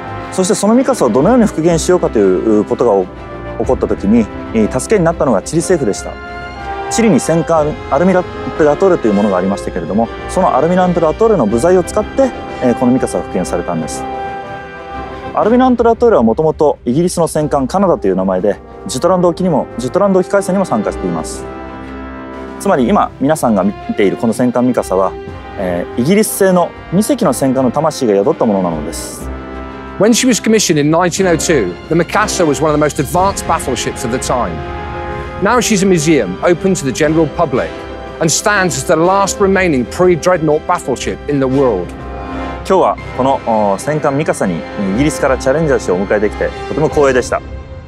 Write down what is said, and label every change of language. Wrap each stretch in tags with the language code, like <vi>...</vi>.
<ja>そしてそのミカサをどのように復元しようかということが起こった時に助けになったのがチリ政府でしたチリに戦艦アルミラントラトーレというものがありましたけれどもそのアルミラントラトーレの部材を使ってこのミカサは復元されたんですアルミラントラトーレはもともとイギリスの戦艦カナダという名前でジュトランド沖海戦にも参加していますつまり今皆さんが見ているこの戦艦ミカサは、イギリス製の2隻の戦艦の魂が宿ったものなのです</ja> <en>When she was commissioned in 1902, the Mikasa was one of the most advanced battleships of the time. Now she's a museum open to the general public and stands as the last remaining pre-dreadnought battleship in the world.</en> <ja>今日はこの戦艦ミカサにイギリスからチャレンジャー氏をお迎えできてとても光栄でした。</ja>